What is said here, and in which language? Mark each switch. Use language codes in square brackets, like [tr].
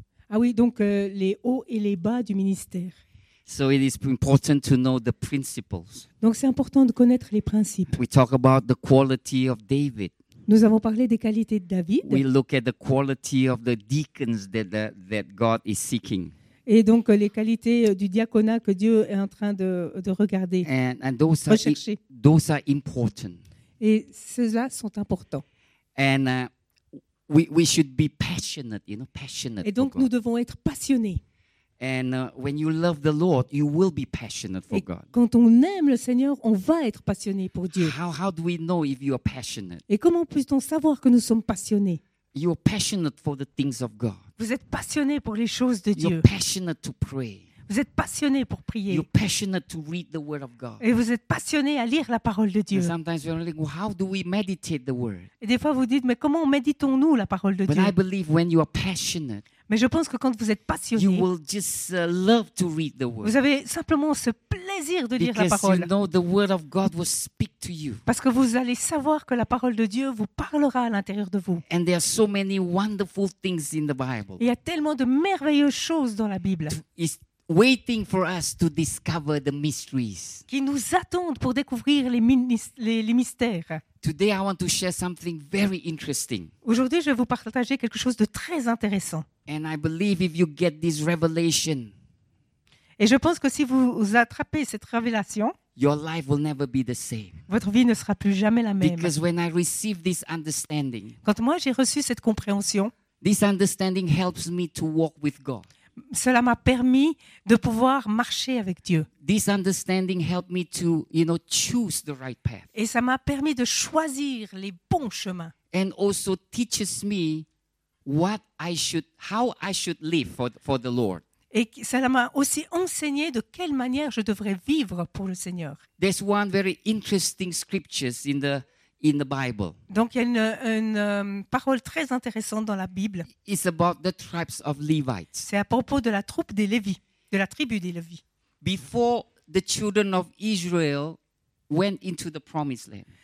[fr] Ah oui, donc les hauts et les bas du ministère. [en] So it is important to know the principles. [fr] Donc c'est important de connaître les principes. [en] We talk about the quality of David. [fr] Nous avons parlé des qualités de David. [en] We look at the quality of the deacons that God is seeking. [fr] Et donc les qualités du diaconat que Dieu est en train de regarder, [en] and those [fr] rechercher. [en] Those are important. [fr] Et ceux-là sont importants. [en] And we should be passionate, you know, passionate. [fr] Et donc nous devons être passionnés. [en] And when you love the Lord, you will be passionate for God. [fr] Quand on aime le Seigneur, on va être passionné pour Dieu. [en] How do we know if you are passionate? [fr] Et comment peut-on savoir que nous sommes passionnés? [en] You are passionate for the things of God. [fr] Vous êtes passionné pour les choses de Dieu. [en] You're passionate to pray. [fr] Vous êtes passionné pour prier. [en] You're passionate to read the word of God. [fr] Et vous êtes passionné à lire la parole de Dieu. [en] And sometimes you're like, well, how do we meditate the word? [fr] Et des fois vous dites, mais comment méditons-nous la parole de [en] But [fr] Dieu? [en] But I believe when you are passionné. [fr] Mais je pense que quand vous êtes passionné, [en] you will just love to read the word. [fr] Vous avez simplement ce plaisir de lire [en] Because [fr] la parole. [en] You know the word of God will speak to you. [fr] Parce que vous allez savoir que la parole de Dieu vous parlera à l'intérieur de vous. [en] And there are so many wonderful things in the Bible. [fr] Il y a tellement de merveilleuses choses dans la Bible. [en] It's waiting for us to discover the mysteries. [fr] Qui nous attendent pour découvrir les mystères. [en] Today I want to share something very interesting. [fr] Aujourd'hui, je vais vous partager quelque chose de très intéressant. [en] And I believe if you get this revelation, [fr] et je pense que si vous attrapez cette révélation, [en] your life will never be the same. [fr] Votre vie ne sera plus jamais la même. [en] Because when I receive this understanding, [fr] quand moi j'ai reçu cette compréhension, [en] this understanding helps me to walk with God. [fr] Cela m'a permis de pouvoir marcher avec Dieu. [en] This understanding helped me to, you know, choose the right path. [fr] Et ça m'a permis de choisir les bons chemins. [en] And also teaches me what I should, how I should live for the Lord. [fr] Et cela m'a aussi enseigné de quelle manière je devrais vivre pour le Seigneur. [en] There's one very interesting scripture in the Bible. [fr] Donc il y a une parole très intéressante dans la Bible. [en] It's about the tribes of Levites. [fr] C'est à propos de la troupe des Lévi, de la tribu des Lévi. [en] Before the children of Israel went into the promised land.